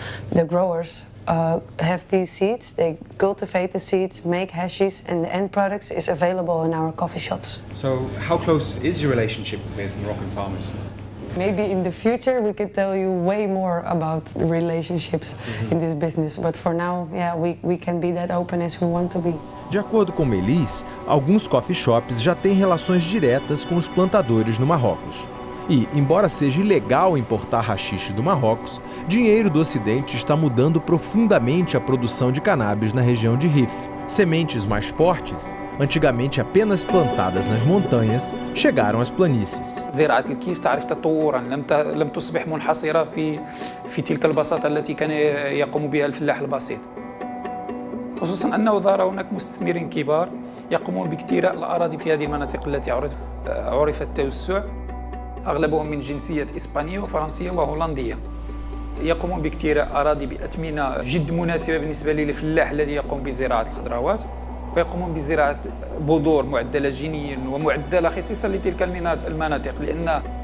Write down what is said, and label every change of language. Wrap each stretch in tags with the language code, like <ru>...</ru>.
<en>The growers have these seeds, they cultivate the seeds, make hashes, and the end products is available in our coffee shops. So how close is your relationship with Moroccan farmers? Maybe in the future we could tell you way more about relationships in this business. But for now, yeah, we can be that open as we want to be.</en> <pt>De acordo com Melis, alguns coffee shops já têm relações diretas com os plantadores no Marrocos. E, embora seja ilegal importar haxixe do Marrocos, dinheiro do Ocidente está mudando profundamente a produção de cannabis na região de Rif. Sementes mais fortes, antigamente apenas plantadas nas montanhas, chegaram às planícies.</pt> <ar>زراعة الكيف تعرف تطورا لم تصبح منحصرة في تلك البساطة التي كان يقوم بها الفلاح البسيط. خصوصا انه ظهر هناك مستثمرين كبار يقومون باكتراء الاراضي في هذه المناطق التي عرف التوسع، اغلبهم من جنسيه اسبانيه وفرنسيه وهولنديه، يقومون باكتراء اراضي باثمنه جد مناسبه بالنسبه للفلاح الذي يقوم بزراعه الخضروات، ويقومون بزراعه بذور معدله جينيا ومعدله خصيصا لتلك المناطق، لان</ar>